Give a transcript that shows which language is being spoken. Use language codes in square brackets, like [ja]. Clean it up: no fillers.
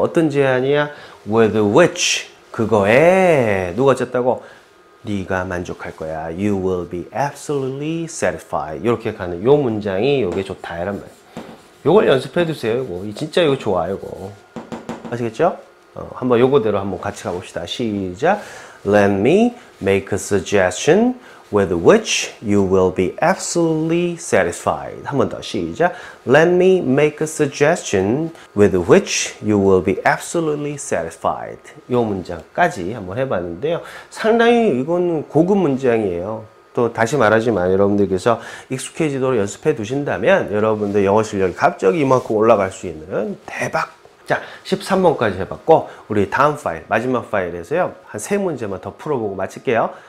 [ko] 어떤 제안이야? [en] With which. [ko] 그거에 누가 쳤다고? 네가 만족할 거야. [en] You will be absolutely satisfied. [ko] 이렇게 가는 요 문장이 이게 좋다 이런 말. 이걸 연습해 두세요. 이거 진짜 이거 좋아요. 이거. 아시겠죠? 한번 요거대로 한번 같이 가봅시다. 시작. [en] Let me make a suggestion with which you will be absolutely satisfied. [ko] 한번 더 시작. [en] Let me make a suggestion with which you will be absolutely satisfied. [ko] 요 문장까지 한번 해봤는데요. 상당히 이건 고급 문장이에요. 또 다시 말하지만 여러분들께서 익숙해지도록 연습해 두신다면 여러분들 영어 실력이 갑자기 이만큼 올라갈 수 있는 대박. 자, 13번까지 해봤고 우리 다음 파일, 마지막 파일에서요 한 세 문제만 더 풀어보고 마칠게요.